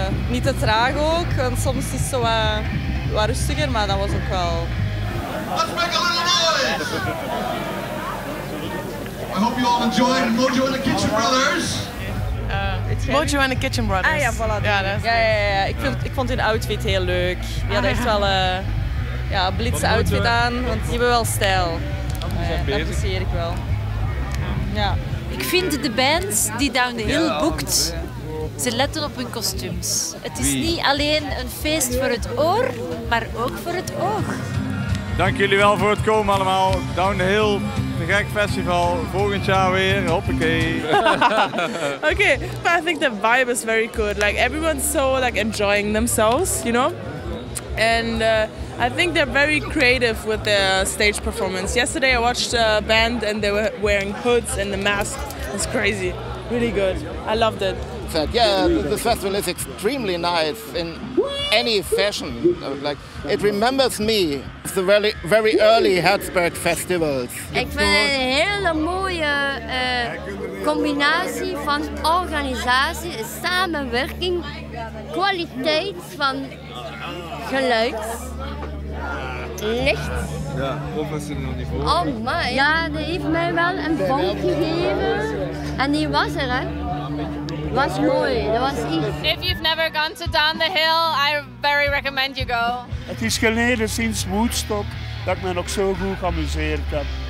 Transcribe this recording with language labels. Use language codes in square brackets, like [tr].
[nl] Niet te traag ook, want soms is het zo wat rustiger, maar dat was ook wel. [en] Let's make a little noise! I hope you all enjoyed Mojo and the Kitchen Brothers. Mojo and the Kitchen Brothers. [nl] Ah ja, voilà. Ja. Ik vond hun outfit heel leuk. Die hadden echt wel een blitse outfit aan, want die hebben wel stijl. Dat apprecieer ik wel. Ja. Ik vind de band die Downhill boekt Ze letten op hun kostuums. Het is niet alleen een feest voor het oor, maar ook voor het oog. Dank jullie wel voor het komen allemaal. Down the Hill, een gek festival. Volgend jaar weer, hoppakee. [en] Okay, but I think the vibe is very good. Like, everyone's so like enjoying themselves, you know? And I think they're very creative with their stage performance. Yesterday I watched a band and they were wearing hoods and the mask. It's crazy. Really good. I loved it. Yeah, the festival is extremely nice in any fashion. Like, it remembers me of the very, very early Herzberg festivals. [nl] Ik vind het een hele mooie combinatie van organisatie, samenwerking, kwaliteit van geluid, licht. Ja, professioneel niveau. Oh man, ja, die heeft mij wel een bonk gegeven. En die was er, hè. Was mooi, dat was echt. [en] If you've never gone to Down the Hill, I very recommend you go. [nl] Het is geleden sinds Woodstock dat ik me nog zo goed geamuseerd heb.